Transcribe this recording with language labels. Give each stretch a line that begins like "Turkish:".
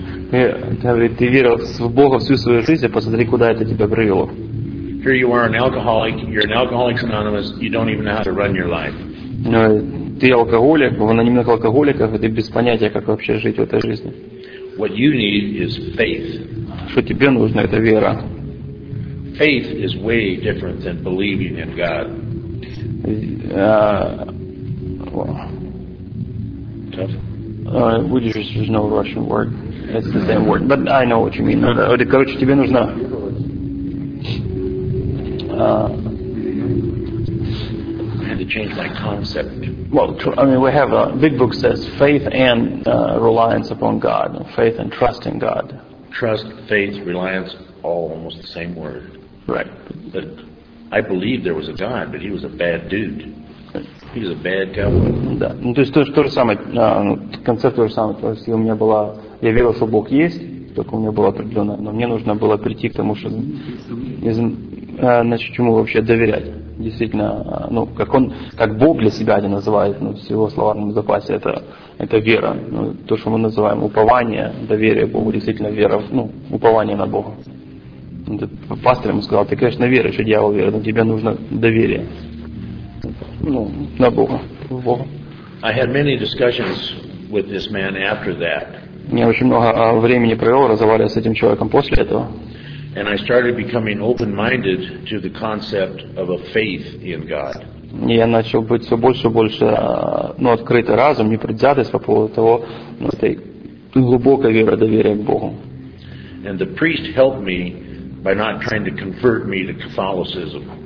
Russian: Говорит, ты верил в Бога всю свою жизнь, а посмотри, куда это тебя привело.
English: Here you are an alcoholic, you're an Alcoholics Anonymous, you don't even know how to run your life.
Russian: Ты алкоголик, в анонимных алкоголиках, ты без понятия, как вообще жить в этой жизни.
English: What you need is faith.
Russian: Что тебе нужно, это вера.
English: Faith is way different than believing in God. We just there's no Russian word. It's the same word, but I know what you mean.
Russian: Короче, тебе нужно.
English: I had to change my concept. Well, I mean, we have a big book says faith and reliance upon God, faith and trust in God. Trust, faith, reliance, all almost the same word. Right, but. I believed there was a God, but he was a bad dude. He was a bad cowboy.
Russian: Да. Ну, то есть то же самое, концепт то же самое. То есть у меня была, я верил, что Бог есть, только у меня было определенное, но мне нужно было прийти к тому, что, значит, чему вообще доверять. Действительно, ну, как он, как Бог для себя один называет, ну, в его словарном запасе, это вера. Ну, то, что мы называем упование, доверие Богу, действительно вера, ну, упование на Бога. Пастор ему сказал, ты, конечно, веришь, и дьявол верит, но тебе нужно доверие. Ну, на Бога.
English: I had many discussions with this man after that.
Russian: Я очень много времени провел, разговаривая с этим человеком после этого.
English: And I started becoming open-minded to the concept of a faith in God.
Russian: И я начал быть все больше и больше, ну, открытый разум, непредвзятость по поводу того, ну, этой глубокой веры, доверия к Богу.
English: And the priest helped me by not trying to convert me to Catholicism.